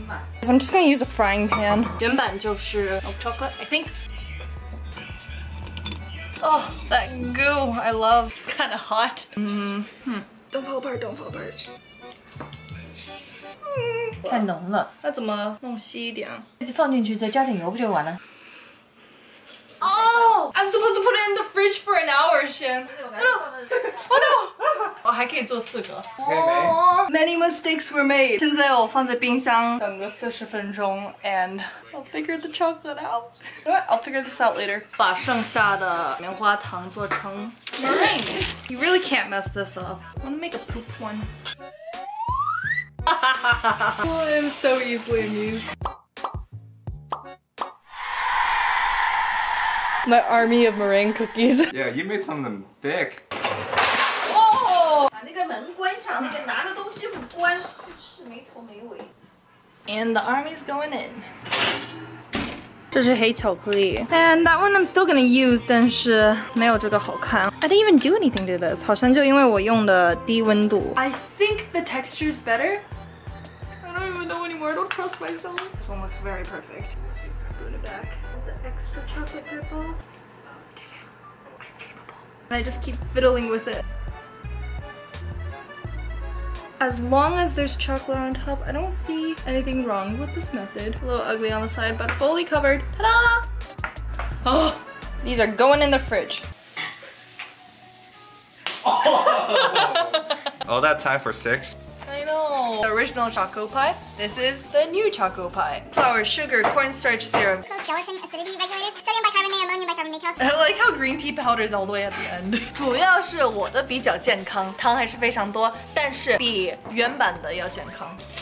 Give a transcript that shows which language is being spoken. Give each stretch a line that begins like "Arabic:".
English: 吧。I'm just gonna use a frying pan。
Chinese: 原版就是
English: milk chocolate，I think。 Oh， that goo， I love。 It's kind of hot。 Don't fall apart， don't fall apart。
Chinese: 太浓了。那怎么弄稀一点？放进去，再加点油不就完了？
English: Oh, I'm supposed to put it in the fridge for an hour, Shin. Oh no! Oh no!
Chinese: 我还可以做四个。
English: Many mistakes were made.
Chinese: 现在我放在冰箱等个四十分钟 ，
English: and I'll figure the chocolate out. I'll figure this out later.
Chinese: 把剩下的棉花糖做成
English: meringue. You really can't mess this up. I want to make a poop one. Oh, I'm so easily amused. My army of meringue cookies. Yeah, you made some of them thick. Oh!
Chinese: 把那个门关上，那个拿着东西不关，是没头没尾。
English: And the army's going in.
Chinese: 这是黑巧克力。
English: And that one I'm still gonna use,
Chinese: 但是没有这个好看。
English: I didn't even do anything to this.
Chinese: 好像就因为我用的低温度。
English: I think the texture is better. I don't even know anymore. I don't trust myself. This one looks very perfect. Spoon it back. And I just keep fiddling with it. As long as there's chocolate on top, I don't see anything wrong with this method. A little ugly on the side, but fully covered. Ta-da! Oh, these are going in the fridge. All that time for six? The original choco pie. This is the new choco pie. Flour, sugar, cornstarch syrup. Gelatin, acidity regulators, sodium bicarbonate, ammonium bicarbonate. I like how green tea powder is all the way at the end.
Chinese: 主要是我的比较健康，糖还是非常多，但是比原版的要健康。